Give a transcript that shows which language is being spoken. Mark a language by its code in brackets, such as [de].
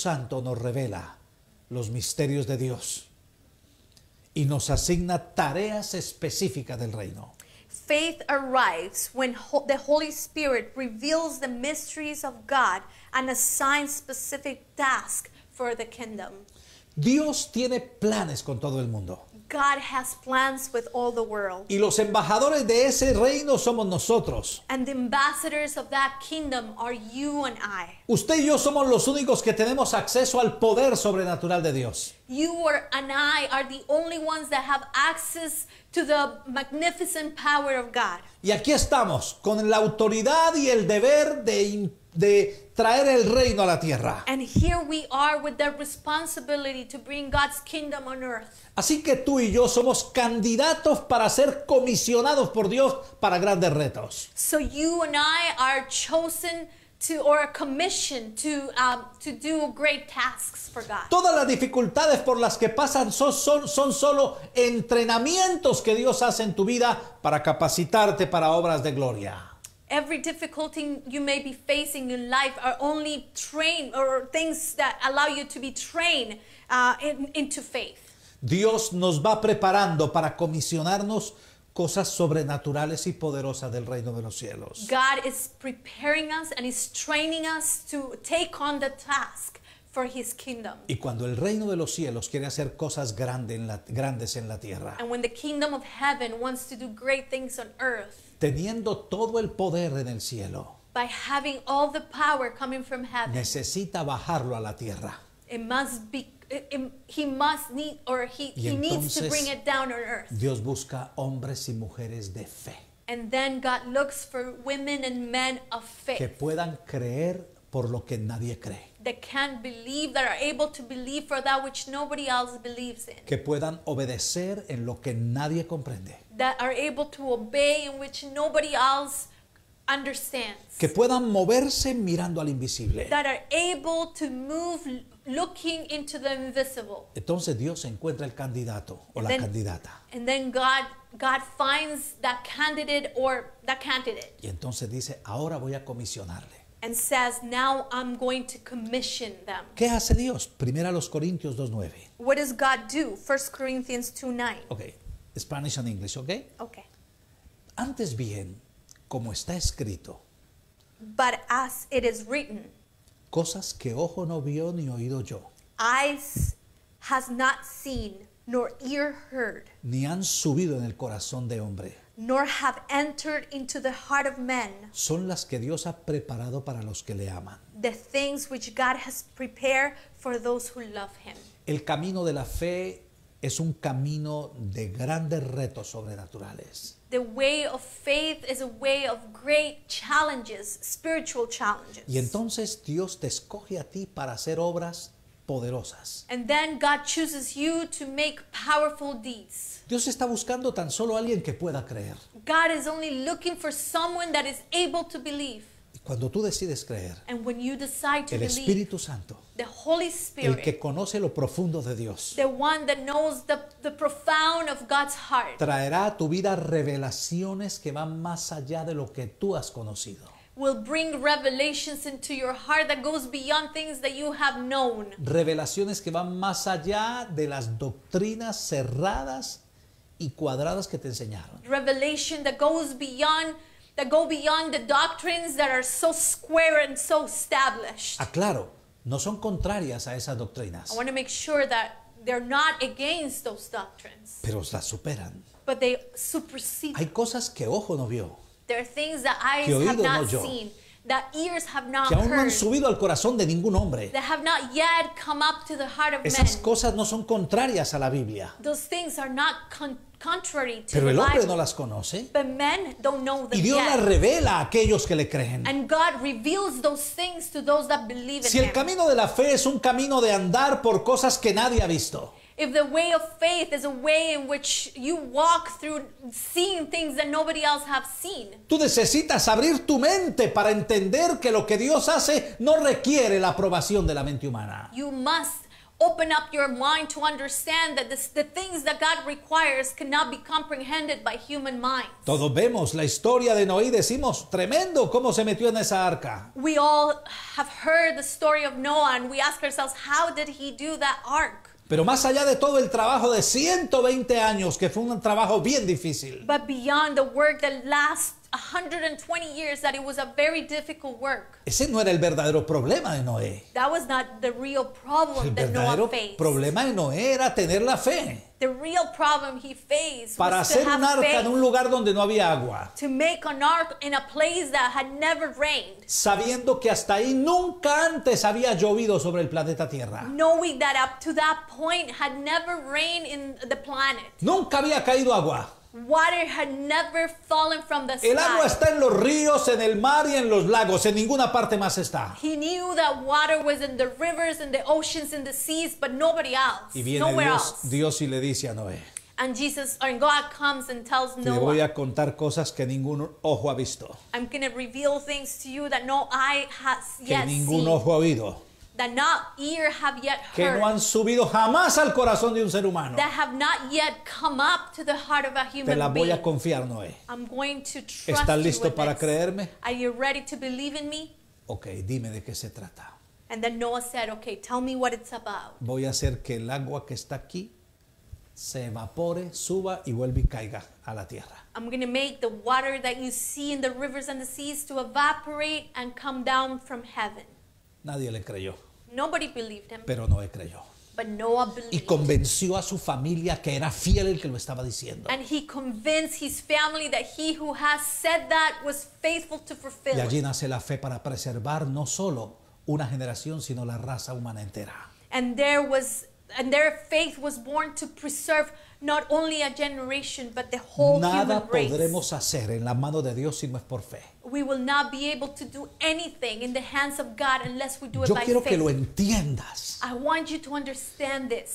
[es] Santo nos revela los misterios de Dios y nos asigna tareas específicas del reino. [en] Faith arrives when the Holy Spirit reveals the mysteries of God and assigns specific tasks for the kingdom. [es] Dios tiene planes con todo el mundo. [en] God has plans with all the world. [es] Y los embajadores de ese reino somos nosotros. [en] And the ambassadors of that kingdom are you and I. [es] Usted y yo somos los únicos que tenemos acceso al poder sobrenatural de Dios. [en] You and I are the only ones that have access to the magnificent power of God. [es] Y aquí estamos con la autoridad y el deber de traer el reino a la tierra. [en] And here we are with the responsibility to bring God's kingdom on earth. [es] Así que tú y yo somos candidatos para ser comisionados por Dios para grandes retos. [en] So you and I are chosen to or commissioned to do great tasks for God. [es] Todas las dificultades por las que pasan son solo entrenamientos que Dios hace en tu vida para capacitarte para obras de gloria. [en] Every difficulty you may be facing in life are only trained or things that allow you to be trained into faith. [es] Dios nos va preparando para comisionarnos cosas sobrenaturales y poderosas del reino de los cielos. [en] God is preparing us and is training us to take on the task for his kingdom. [es] Y cuando el reino de los cielos quiere hacer cosas grandes en la tierra. [en] And when the kingdom of heaven wants to do great things on earth. [es] Teniendo todo el poder en el cielo. [en] By having all the power coming from heaven. [es] Necesita bajarlo a la tierra. [en] It must be. He needs to bring it down on earth. [es] Dios busca hombres y mujeres de fe. [en] And then God looks for women and men of faith. [es] Que puedan creer por lo que nadie cree. [en] That can believe, that are able to believe for that which nobody else believes in. [es] Que puedan obedecer en lo que nadie comprende. [en] That are able to obey in which nobody else understands. [es] Que puedan moverse mirando al invisible. [en] That are able to move looking into the invisible. [es] Entonces Dios encuentra el candidato o la candidata. [en] And then God finds that candidate or that candidate. [es] Y entonces dice, ahora voy a comisionarle. [en] And says, now I'm going to commission them. [es] ¿Qué hace Dios? Primera los Corintios 2:9. [en] What does God do? 1 Corinthians 2:9. Okay. Spanish and English, okay? Okay. [es] Antes bien, como está escrito. [en] But as it is written. [es] Cosas que ojo no vio ni oído yo. [en] Eyes has not seen, nor ear heard. [es] Ni han subido en el corazón de hombre. [en] Nor have entered into the heart of men. [es] Son las que Dios ha preparado para los que le aman. [en] The things which God has prepared for those who love him. [es] El camino de la fe es un camino de grandes retos sobrenaturales. [en] The way of faith is a way of great challenges, spiritual challenges. [es] Y entonces Dios te escoge a ti para hacer obras poderosas. [en] And then God chooses you to make powerful deeds. [es] Dios está buscando tan solo alguien que pueda creer. [en] God is only looking for someone that is able to believe. [es] Cuando tú decides creer, [en] and when you decide to [es] el Espíritu [en] believe, [es] Santo, [en] the Holy Spirit, [es] el que conoce lo profundo de Dios, [en] the one that knows the profound of God's heart, [es] traerá a tu vida revelaciones que van más allá de lo que tú has conocido. [en] Will bring revelations into your heart that goes beyond things that you have known. [es] Revelaciones que van más allá de las doctrinas cerradas y cuadradas que te enseñaron. [en] Revelation that goes beyond the doctrines that are so square and so established. [es] Aclaro, no son contrarias a esas doctrinas. [en] I want to make sure that They're not against those doctrines. [es] Pero las superan. [en] But they supersede. [es] Hay cosas que ojo no vio. [en] There are things that eyes have not seen, that ears have not heard. [es] Que aún no han subido al corazón de ningún hombre. [en] That have not yet come up to the heart of men. [es] Esas cosas no son contrarias a la Biblia. [en] Those things are not contrary to the Bible. [es] Pero el hombre no las conoce. [en] But men don't know them yet. [es] Y Dios las revela a aquellos que le creen. [en] And God reveals those things to those that believe in Him. [es] Si el camino de la fe es un camino de andar por cosas que nadie ha visto. [en] If the way of faith is a way in which you walk through seeing things that nobody else has seen. [es] Tú necesitas abrir tu mente para entender que lo que Dios hace no requiere la aprobación de la mente humana. [en] You must open up your mind to understand that the things that God requires cannot be comprehended by human minds. [es] Todos vemos la historia de Noé y decimos, tremendo, cómo se metió en esa arca. [en] We all have heard the story of Noah and we ask ourselves, how did he do that ark? [es] Pero más allá de todo el trabajo de 120 años, que fue un trabajo bien difícil. [en] But beyond the work that lasted 120 years, that it was a very difficult work. [es] Ese no era el verdadero problema de Noé. [en] That was not the real problem that Noah faced. [es] El verdadero problema de Noé era tener la fe. [en] The real problem he faced [es] para [en] was to have faith. [es] Para hacer un arca en un lugar donde no había agua. [en] To make an ark in a place that had never rained. [es] Sabiendo que hasta ahí nunca antes había llovido sobre el planeta Tierra. [en] Knowing that up to that point had never rained in the planet. [es] Nunca había caído agua. [en] Water had never fallen from the sky. [es] El agua está en los ríos, en el mar y en los lagos. En ninguna parte más está. [en] He knew that water was in the rivers, in the oceans, in the seas, but nobody else. [es] Y viene [en] nowhere [es] Dios, [en] else. [es] Dios y le dice a Noé. [en] And Jesus, or God comes and tells Noah. [es] Te voy a contar cosas que ningún ojo ha visto. [en] I'm going to reveal things to you that no eye has yet seen. [es] Que ningún ojo ha oído. [en] That not ear have yet heard. [es] Que no han subido jamás al corazón de un ser humano. [en] That have not yet come up to the heart of a human being. [es] Te la voy a confiar, Noé. [en] I'm going to trust you with this. [es] ¿Estás listo para creerme? [en] Are you ready to believe in me? [es] Okay, dime de qué se trata. [en] And then Noah said, okay, tell me what it's about. [es] Voy a hacer que el agua que está aquí se evapore, suba y vuelve y caiga a la tierra. [en] I'm going to make the water that you see in the rivers and the seas to evaporate and come down from heaven. [es] Nadie le creyó. [en] Nobody believed him. [es] Pero Noé creyó. [en] But Noah believed. [es] Y convenció a su familia que era fiel el que lo estaba diciendo. [en] And he convinced his family that he who has said that was faithful to fulfill. [es] Y allí nace la fe para preservar no solo una generación, sino la raza humana entera. [en] And their faith was born to preserve not only a generation, but the whole human race. [es] Nada podremos hacer en la mano de Dios si no es por fe. [en] We will not be able to do anything in the hands of God unless we do it [es] Yo [en] by [es] quiero [en] faith. [es] Que lo entiendas. [en] I want you to understand this.